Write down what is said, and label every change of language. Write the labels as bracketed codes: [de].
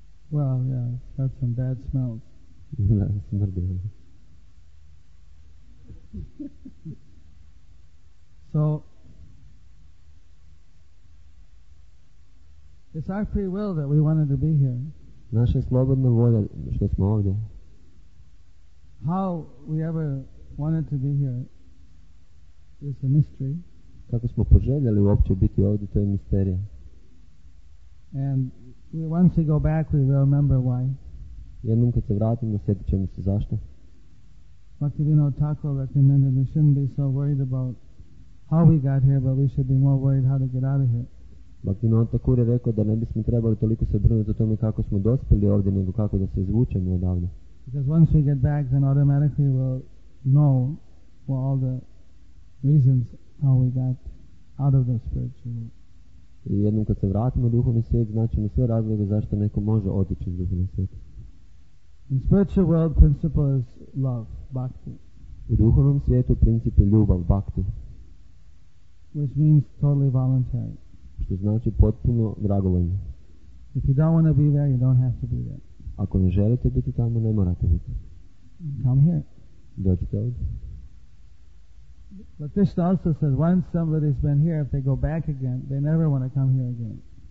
[en] Well, yeah, it's got some bad smells. [hr] Da, smrdi. [en] So, it's our free will that we wanted to be here. [hr] Naša slobodna volja što smo ovdje. [en] How we ever wanted to be here is a mystery. [hr] Kako smo poželjeli uopće biti ovdje, to je misterija. [en] And we, once we go back, we will remember why. [hr] Jednom kad se vratimo, sjetit ćemo se zašto. [en] Bhaktivinoda Thakur recommended we shouldn't be so worried about how we got here, but we should be more worried how to get out of here. [hr] Bhaktivinoda Thakur je rekao da ne bismo trebali toliko se brinuti o tome kako smo dospeli ovdje, nego kako da se izvučemo odavde. [en] Because once we get back, then automatically we'll know for all the reasons how we got out of the spiritual world. [hr] I jednom kad se vratimo u duhovni svijet, značimo sve razloge zašto neko može otići iz duhovnog svijeta. [en] In spiritual world, principle is love, bhakti. [hr] U duhovnom svijetu princip je ljubav, bhakti. [en] Which means totally voluntary. [hr] Što znači potpuno dragovoljno. [en] If you don't want to be there, you don't have to be there. [hr] Ako ne želite biti tamo, ne morate biti. [en] Come here. [hr] Dođite ovdje. [en] But Krishna also says once somebody's been here, if they go back again, they never want to come here again.